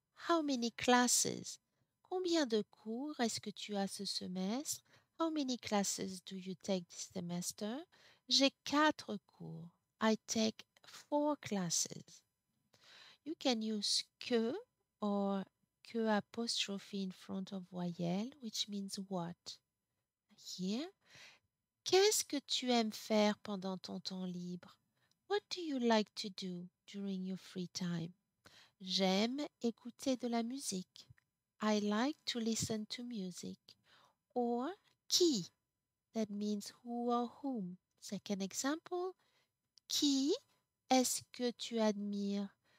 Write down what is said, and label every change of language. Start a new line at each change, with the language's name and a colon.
English: How many classes?
French: Combien de cours est-ce que tu as ce semestre?
English: How many classes do you take this semester?
French: J'ai 4 cours.
English: I take 4 classes. You can use que or que apostrophe in front of voyelle, which means what. Here,
French: qu'est-ce que tu aimes faire pendant ton temps libre?
English: What do you like to do during your free time?
French: J'aime écouter de la musique.
English: I like to listen to music. Or qui? That means who or whom. Second example,
French: qui est-ce que tu admires?